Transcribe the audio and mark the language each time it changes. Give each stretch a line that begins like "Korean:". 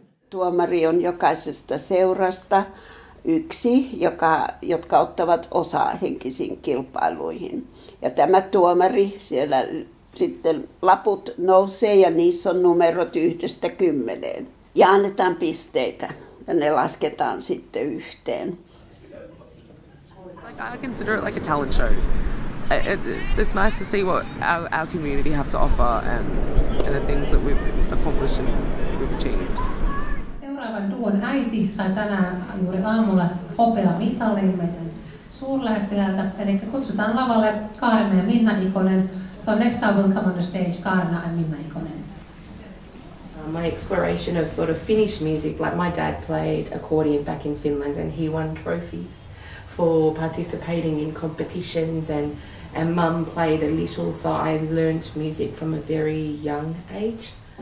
Finnish: Tuomari on jokaisesta seurasta yksi, jotka ottavat osaa henkisiin kilpailuihin. Ja tämä tuomari, siellä sitten laput nousee ja niissä on numerot 1-10. Ja annetaan pisteitä ja ne lasketaan sitten yhteen.
English: Like, I consider it like a talent show. It's nice to see what our community have to offer and the things that we've accomplished and we've achieved.
Finnish: Seuraavan duon äiti sai tänään juuri aamulla hopeamitalin meidän suurlähettiläältä. Eli kutsutaan lavalle Kaarina ja Minna Ikonen.
English: So next time we'll come on the stage, Kaarina and Minna Ikonen. My exploration of sort of Finnish music, like my dad played accordion back in Finland and he won trophies for participating in competitions and mum played a little, so I learned music from a very young age.